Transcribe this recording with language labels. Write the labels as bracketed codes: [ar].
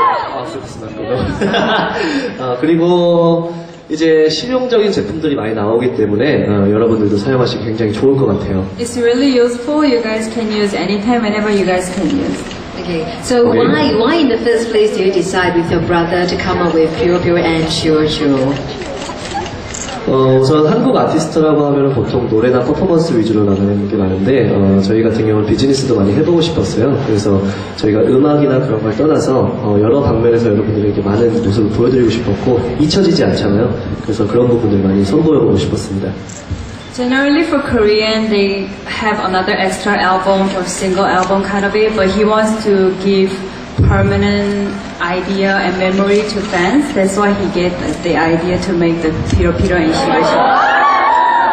[ko] Oh, 그리고 이제 실용적인 제품들이 많이 나오기 때문에 여러분들도 사용하시기 굉장히 좋을 것 같아요. [en] It's really useful. You guys can use anytime, whenever you guys can use. Okay. So okay. Why in the first place do you decide with your brother to come up with Piro Piro and Shiro Shiro? [ko] 우선 한국 아티스트라고 하면 보통 노래나 퍼포먼스 위주로 나가는 게 많은데 저희 같은 경우는 비즈니스도 많이 해보고 싶었어요. 그래서 저희가 음악이나 그런 걸 떠나서 여러 방면에서 여러분들에게 많은 모습을 보여드리고 싶었고 잊혀지지 않잖아요. 그래서 그런 부분들 많이 선보여보고 싶었습니다. [en] Generally for Korean, they have another extra album or single album kind of it, but he wants to give permanent idea and memory to fans. That's why he get the idea to make the Piro Piro and Shiro Shiro.